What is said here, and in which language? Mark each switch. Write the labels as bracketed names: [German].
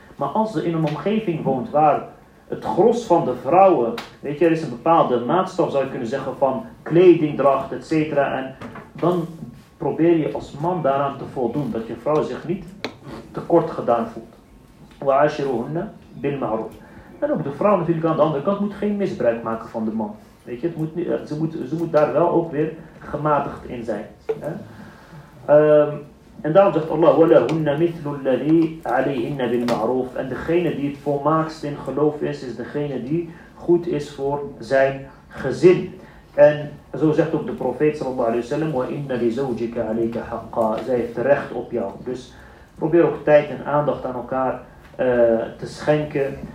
[Dutch] Maar als ze in een omgeving woont waar het gros van de vrouwen, weet je, er is een bepaalde maatstaf, zou je kunnen zeggen, van kledingdracht, et cetera, en dan probeer je als man daaraan te voldoen, dat je vrouw zich niet tekort gedaan voelt. [Arabic] Wa'ashiruhunna bil ma'roof. [Dutch] En ook de vrouw natuurlijk aan de andere kant moet geen misbruik maken van de man. Weet je, het moet niet, ze moet daar wel ook weer gematigd in zijn. Hè? [Arabic] En daarom zegt Allah, وَلَهُنَّ مِثْلُ الَّذِي عَلَيْهِنَّ بِالْمَعْرُوفِ. [Dutch] En degene die het volmaakst in geloof is degene die goed is voor zijn gezin. En zo zegt ook de profeet, sallallahu alayhi wa sallam, [Arabic] وَإِنَّ لِزَوْجِكَ عَلَيْكَ حَقًّا. [Dutch] Zij heeft recht op jou. Dus probeer ook tijd en aandacht aan elkaar te schenken.